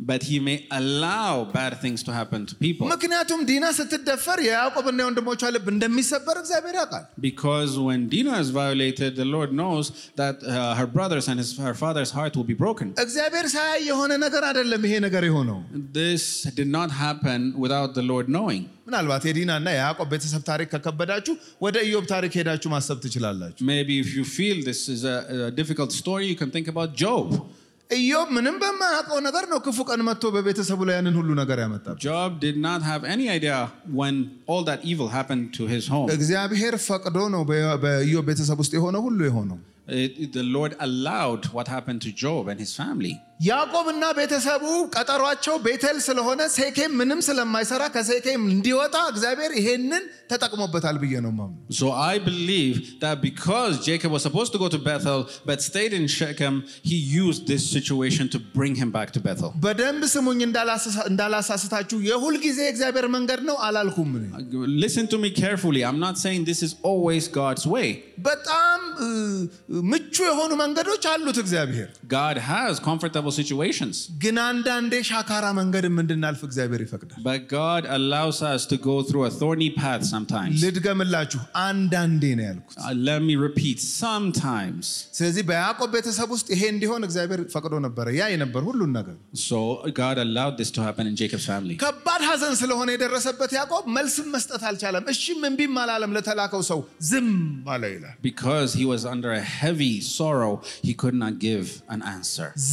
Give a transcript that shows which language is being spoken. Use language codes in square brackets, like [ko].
[en] But he may allow bad things to happen to people. [am] ምክንያቱም ዲና ስትደፈር ያዕቆብ እና ወንድሞቿ ልብ እንደሚሰበር እግዚአብሔር ያውቃል። [en] Because when Dina is violated, the Lord knows that her brothers and her father's heart will be broken. [am] እግዚአብሔር ሳይ የሆነ ነገር አይደለም ይሄ ነገር የሆነው። [en] This did not happen without the Lord knowing. [am] ምናልባት የዲና እና ያዕቆብ ቤተሰብ ታሪክ ከከበዳችሁ ወደ ኢዮብ ታሪክ ሄዳችሁ ማሰብ ትችላላችሁ [en] Maybe if you feel this is a difficult story you can think about Job [am] ኢዮብ ምንም በማያውቀው ነገር ነው ክፉ ቀን መጥቶ በቤተሰቡ ላይ ያንን ሁሉ ነገር ያመጣው [en] Job did not have any idea when all that evil happened to his home [am] እግዚአብሔር ፈቅዶ ነው በኢዮብ ቤተሰብ ውስጥ የሆነ ሁሉ የሆነው [en] The Lord allowed what happened to Job and his family. [am] ያዕቆብ እና ቤተሰቡ ቀጠሯቸው ቤተል ስለሆነ ሴኬም ምንም ስለማይሰራ ከሴኬም እንዲወጣ እግዚአብሔር ይሄንን ተጠቅሞበታል ብዬ ነው ማምነው። [en] So I believe that because Jacob was supposed to go to Bethel but stayed in Shechem, he used this situation to bring him back to Bethel. [am] በደንብ ስሙኝ እንዳላሳስታችሁ የሁል ጊዜ እግዚአብሔር መንገድ ነው አላልኩም ነው። [en] Listen to me carefully. I'm not saying this is always God's way. [am] በጣም ምቹ የሆኑ መንገዶች አሉት እግዚአብሔር። [en] God has comfort situations. [am] ግናንዳንዴ ሻካራ መንገድ እንድናልፍ እግዚአብሔር ይፈቅዳል። [en] But God allows us to go through a thorny path sometimes. [am] ልድገምላችሁ አንዳንዴ ነው ያልኩት። [en] Let me repeat sometimes. [am] ስለዚህ በያዕቆብ ቤተሰብ ውስጥ ይሄ እንዲሆን እግዚአብሔር ፈቅዶ ነበር ያ የነበር ሁሉ ነገር። [en] So God allowed this to happen in Jacob's family. [am] ከባድ ሀዘን ስለሆነ የደረሰበት ያዕቆብ መልስ መስጠት አልቻለም። እሺ ምን ቢማላለም ለተላከው ሰው ዝም ማለ ይላል። [en] Because he was under a heavy heavy sorrow, he could not give an answer.